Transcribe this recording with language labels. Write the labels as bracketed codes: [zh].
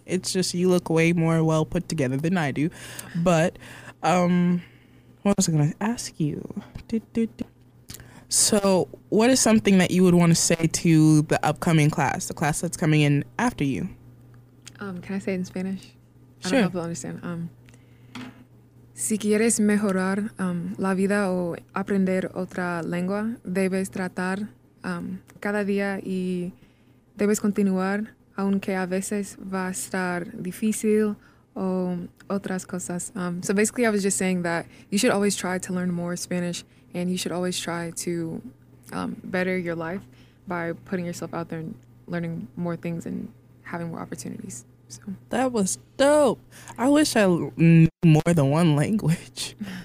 [en] It's just you look way more well put together than I do. But what was I going to ask you? So what is something that you would want to say to the upcoming class, the class that's coming in after you? Can I say it in Spanish? Sure. I don't know if you understand. [es] Si quieres mejorar la vida o aprender otra lengua, debes tratar cada día y debes continuar, aunque a veces va a estar difícil o otras cosas. [en] So basically, I was just saying that you should always try to learn more Spanish, and you should always try to better your life by putting yourself out there and learning more things and having more opportunities. So. That was dope. I wish I knew more than one language.